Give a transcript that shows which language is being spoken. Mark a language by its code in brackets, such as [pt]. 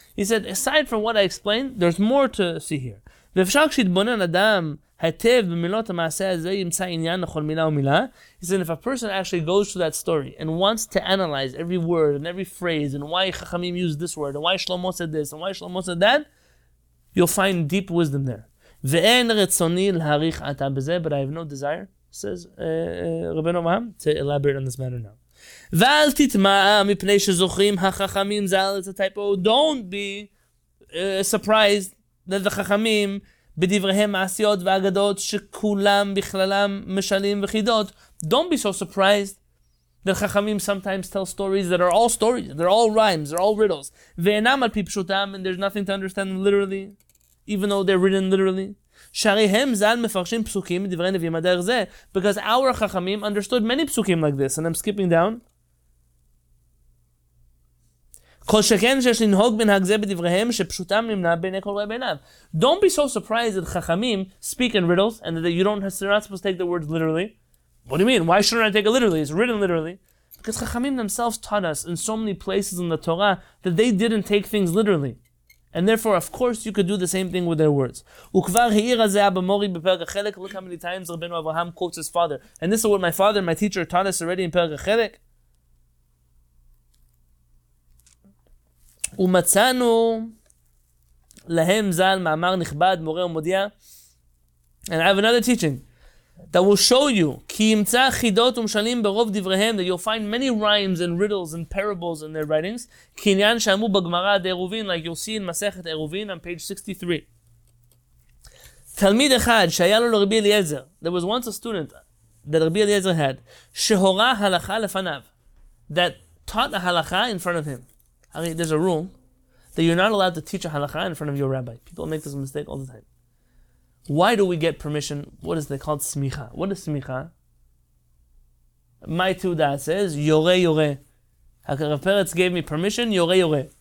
[en] He said, aside from what I explained, there's more to see here. [he] V'efshar k'shitbonen adam, [en] he said, if a person actually goes through that story and wants to analyze every word and every phrase and why Chachamim used this word and why Shlomo said this and why Shlomo said that, you'll find deep wisdom there. But I have no desire, says Rabbi Noam, to elaborate on this matter now. Don't be surprised that the Chachamim [he] בדבריהם מעשיות ואגדות שכולם בכללם משלים וחידות. [en] Don't be so surprised that Chachamim sometimes tell stories that are all stories, they're all rhymes, they're all riddles. [he] ואינם על פי פשוטם, [en] and there's nothing to understand literally, even though they're written literally. [he] שעריהם זל מפרשים פסוקים בדברי נביאים הדרך זה, [en] because our Chachamim understood many פסוקים like this, and I'm skipping down. [he] כל שכן שיש לנהוג מנהג זה בדבריהם שפשוטם נמנע בעיני כל רואה בעיניו. [en] Don't be so surprised that Chachamim speak in riddles and that you don't, you're not supposed to take the words literally. What do you mean? Why shouldn't I take it literally? It's written literally. Because Chachamim themselves taught us in so many places in the Torah that they didn't take things literally. And therefore, of course, you could do the same thing with their words. [he] וכבר העיר הזה אבא מורי בפרק החלק. [en] Look how many times Rabbeinu Avraham quotes his father. And this is what my father, my teacher, taught us already in פרק החלק. [he] ומצאנו להם זל מאמר נכבד מורה ומודיע. [en] And I have another teaching that will show you [he] כי ימצא חידות ומשלים ברוב דבריהם, [en] that you'll find many rhymes and riddles and parables in their writings. [he] כעניין שאמרו בגמרא דעירובין, [en] like you'll see in מסכת עירובין on page 63. [he] תלמיד אחד שהיה לו לרבי אליעזר, [en] there was once a student that רבי אליעזר had, [he] שהורה הלכה לפניו, [en] that taught the הלכה in front of him. I mean, there's a rule that you're not allowed to teach a halakha in front of your rabbi. People make this mistake all the time. Why do we get permission? What is it called? Smicha. What is smicha? My Tuda says, yore yore. Rav Peretz gave me permission, yore yore.